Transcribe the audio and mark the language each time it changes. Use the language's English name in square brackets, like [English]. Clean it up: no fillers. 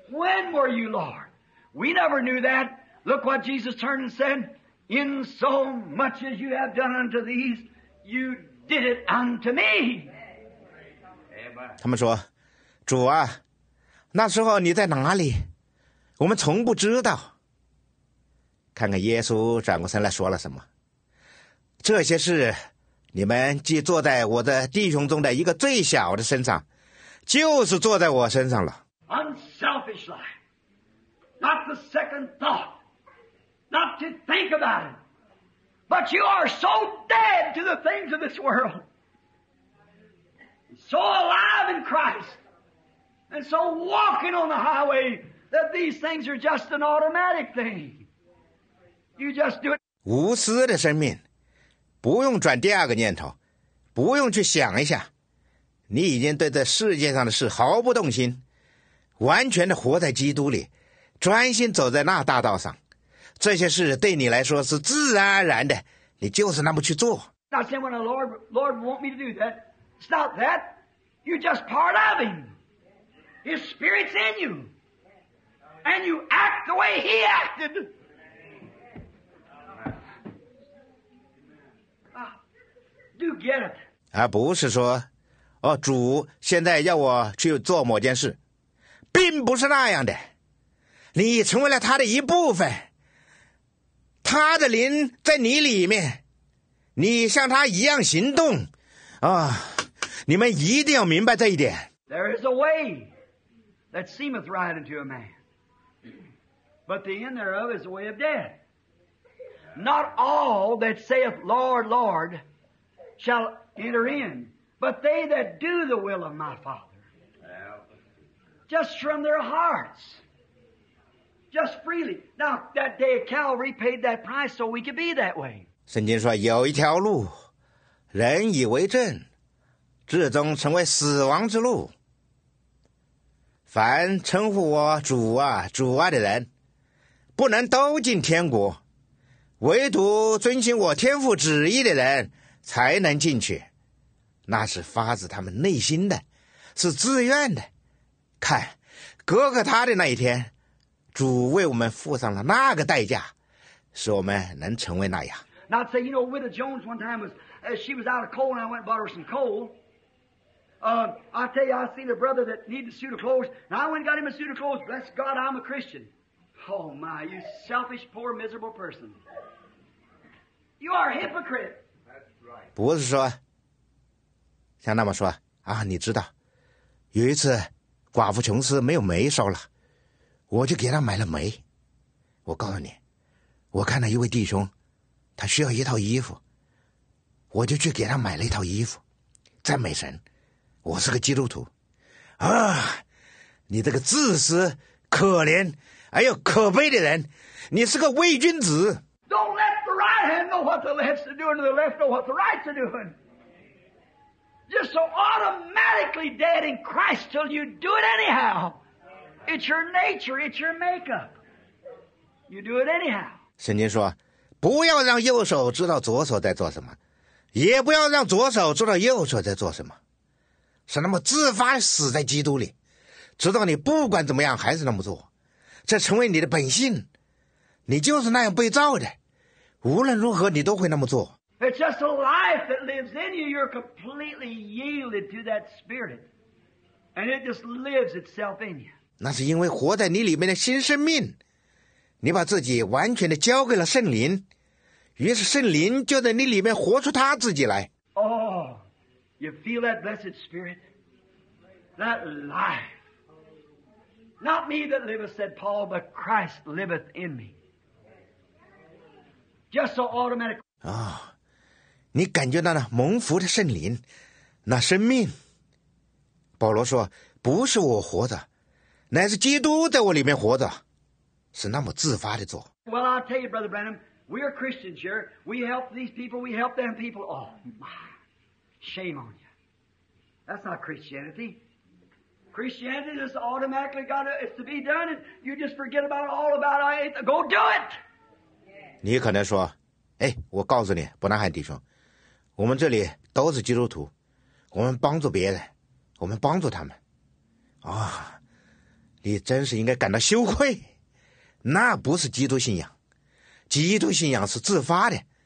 [English] When were you, Lord? We never knew that. Look what Jesus turned and said: In so much as you have done unto these, you did it unto me. [Chinese] 他们说：“主啊，那时候你在哪里？我们从不知道。” 看看耶稣转过身来说了什么。这些事，你们既坐在我的弟兄中的一个最小的身上，就是坐在我身上了。 [English] Unselfish life, not the second thought, not to think about it, but you are so dead to the things of this world, so alive in Christ, and so walking on the highway that these things are just an automatic thing. You just do it. [Chinese] 无私的生命。不用转第二个念头，不用去想一下，你已经对这世界上的事毫不动心，完全的活在基督里，专心走在那大道上，这些事对你来说是自然而然的，你就是那么去做。 [English] Now say when the Lord want me to do that, it's not that, you're just part of Him. His Spirit's in you, and you act the way He acted. [Chinese] 而不是说，哦，主现在要我去做某件事，并不是那样的。你成为了他的一部分，他的灵在你里面，你像他一样行动，啊、哦，你们一定要明白这一点。 [English] There is a way that seemeth right unto a man, but the end thereof is the way of death. Not all that saith Lord, Lord. Shall enter in, but they that do the will of my Father, just from their hearts, just freely. Now, that day of Calvary paid that price so we could be that way. [Chinese] 圣经说有一条路，人以为正，至终成为死亡之路。凡称呼我主啊、主啊的人，不能都进天国，唯独遵循我天父旨意的人才能进去，那是发自他们内心的，是自愿的。看哥哥他的那一天，主为我们付上了那个代价，使我们能成为那样。 [English] Now I'd say, you know, Widow Jones one time was, she was out of coal and I went and bought her some coal. I tell you, I seen a brother that needed a suit of clothes and I went and got him a suit of clothes. Bless God, I'm a Christian. Oh my, you selfish, poor, miserable person. You are a hypocrite. That's right. [Chinese] 不是说像那么说啊，你知道有一次寡妇琼斯没有煤烧了，我就给他买了煤。我告诉你，我看到一位弟兄他需要一套衣服，我就去给他买了一套衣服。赞美神，我是个基督徒啊！你这个自私可怜哎呦可悲的人，你是个伪君子。 [English] Don't let the right hand know what the left's doing, the left know what the right's doing. You're so automatically dead in Christ till you do it anyhow. It's your nature, it's your makeup. You do it anyhow. [Chinese] 圣经说不要让右手知道左手在做什么，也不要让左手知道右手在做什么，是那么自发死在基督里，直到你不管怎么样还是那么做，这成为你的本性，你就是那样被造的，无论如何你都会那么做。 [English] It's just a life that lives in you. You're completely yielded to that spirit and it just lives itself in you. [Chinese] 那是因为活在你里面的新生命，你把自己完全的交给了圣灵，于是圣灵就在你里面活出他自己来。 [English] Oh, you feel that blessed spirit? That life. Not me that liveth, said Paul, but Christ liveth in me. Just so automatic. [Chinese] 你感觉到了蒙福的圣灵，那生命。保罗说，不是我活着，乃是基督在我里面活着。是那么自发的做。 [English] Well, I'll tell you, Brother Branham, we are Christians here. We help these people, we help them people. Oh, my. Shame on you. That's not Christianity. Christianity is automatically got to, it's to be done, and you just forget about all about it. Go do it! [Chinese] 你可能说，哎，我告诉你，伯南汉弟兄，我们这里都是基督徒，我们帮助别人，我们帮助他们。你真是应该感到羞愧。那不是基督信仰，基督信仰是自发的。